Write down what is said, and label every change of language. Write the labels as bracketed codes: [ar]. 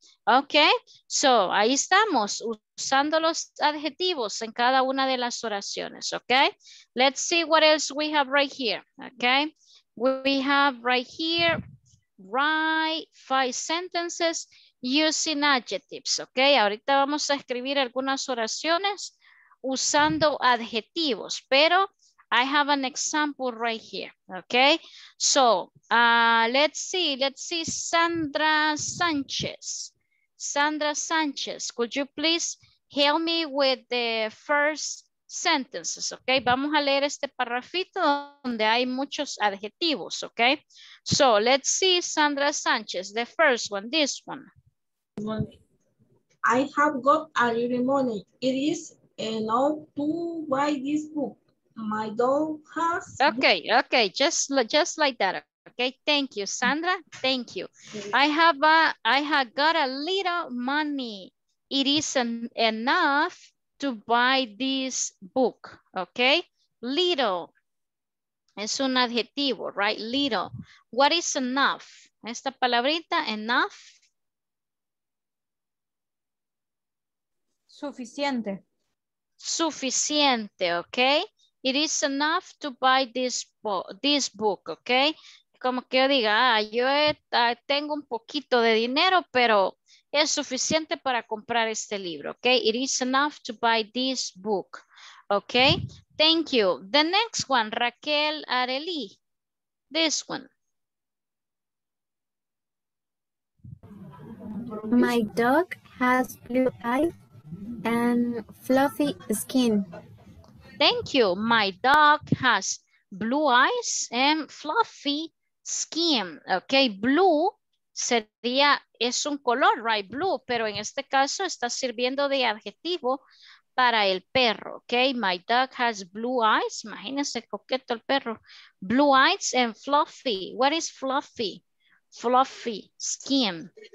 [es] Okay, so ahí estamos usando los adjetivos en cada una de las oraciones, okay? [en] Let's see what else we have right here, okay? We have right here, write 5 sentences using adjectives, okay? [es] Ahorita vamos a escribir algunas oraciones usando adjetivos, pero I have an example right here, okay? [en] So let's see Sandra Sanchez. Sandra Sanchez, could you please help me with the first sentences, okay? Vamos a leer este parrafito donde hay muchos adjetivos, okay? So let's see, Sandra Sanchez, the first one, this one. Money. I have got a little money. It is enough to buy this book. my dog has. Okay, okay, just like that. Okay, thank you, Sandra. Thank you. I have got a little money. It isn't enough to buy this book. Okay, little. Es un adjetivo, right? Little. What is enough? Esta palabrita, enough. [es] Suficiente. Suficiente, okay? [en] It is enough to buy this book, okay? [es] Como que yo diga, tengo un poquito de dinero, pero es suficiente para comprar este libro, okay? [en] It is enough to buy this book, okay? Thank you. The next one, Raquel Arely. This one. My dog has blue eyes and fluffy skin. Thank you. My dog has blue eyes and fluffy skin. [es] Okay, blue sería, es un color, right? Blue, pero en este caso está sirviendo de adjetivo para el perro, okay? [en] My dog has blue eyes. Imagínense, coqueto el perro. Blue eyes and fluffy. What is fluffy? Fluffy skin.